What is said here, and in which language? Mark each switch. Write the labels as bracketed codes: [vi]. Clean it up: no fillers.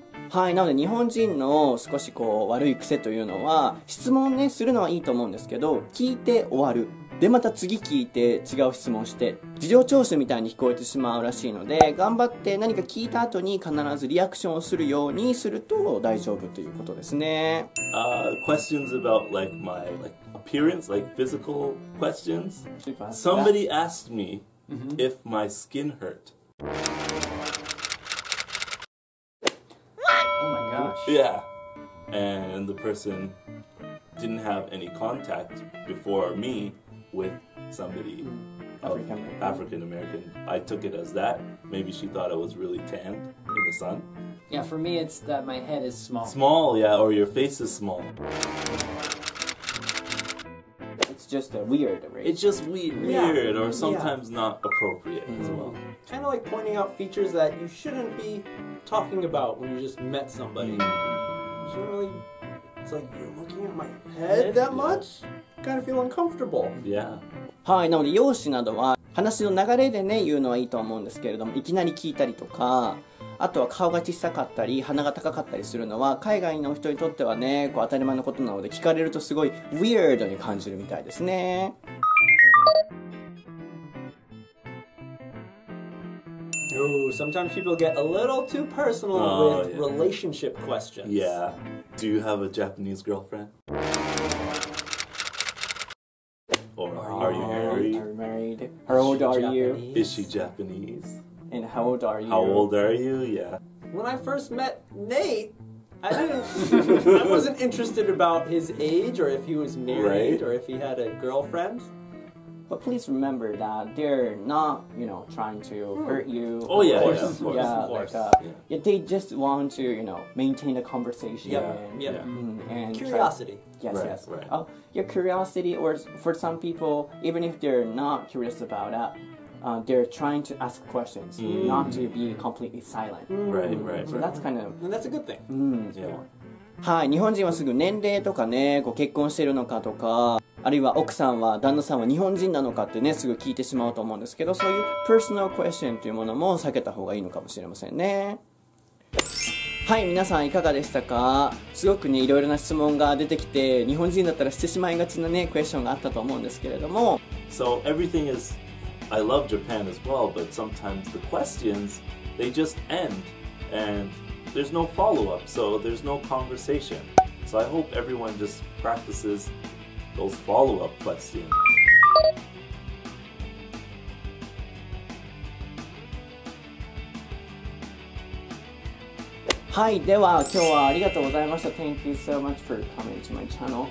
[ja] はい、なので日本人の少しこう悪い癖というのは、質問ねするのはいいと思うんですけど、聞いて終わる、でまた次聞いて違う質問して、事情聴取みたいに聞こえてしまうらしいので、頑張って何か聞いた後に必ずリアクションをするようにすると大丈夫ということですね。 [en] Questions about like my like appearance, like physical questions. Somebody asked me if my skin hurtYeah, and the person didn't have any contact before me with somebody African American. I took it as that. Maybe she thought I was really tanned in the sun. Yeah, for me it's that my head is small. Small, yeah, or your face is small. It's just a weird, right? It's just weird or sometimes not appropriate as well. Kind of like pointing out features that you shouldn't be... talking about when you just met somebody. Generally, it's like, you're looking at my head that much? Kind of feel uncomfortable. Yeah. [ja] はい、なので容姿などは話の流れでね言うのはいいと思うんですけれども、いきなり聞いたりとか、あとは顔が小さかったり鼻が高かったりするのは海外の人にとってはねこう当たり前のことなので、聞かれるとすごい weird に感じるみたいですね。 [en] Oh, sometimes people get a little too personal relationship questions. Yeah. Do you have a Japanese girlfriend? Or are you married? Are you married? How old are you? Is she Japanese? And how old are you? How old are you? Yeah. When I first met Nate, I wasn't interested about his age or if he was married or if he had a girlfriend. But please remember that they're not, you know, trying to hurt you. Oh, yeah, of course. They just want to, you know, maintain a conversation. Yeah, and curiosity. Right. Oh, your curiosity, or for some people, even if they're not curious about that, they're trying to ask questions, not to be completely silent. Right. That's kind of... And that's a good thing. [ja] はい、日本人はすぐ年齢とかね、こう結婚してるのかとか、あるいは奥さんは旦那さんは日本人なのかってね、すぐ聞いてしまうと思うんですけど、そういう personal question というものも避けた方がいいのかもしれませんね。はい、皆さんいかがでしたか？すごくね、いろいろな質問が出てきて、日本人だったらしてしまいがちなね、クエスチョンがあったと思うんですけれども。 [en] So everything is, I love Japan as well, but sometimes the questions, they just end andThere's no follow-up, so there's no conversation. So I hope everyone just practices those follow-up questions. [ja] Hi, では今日はありがとうございました。 [en] Thank you so much for coming to my channel.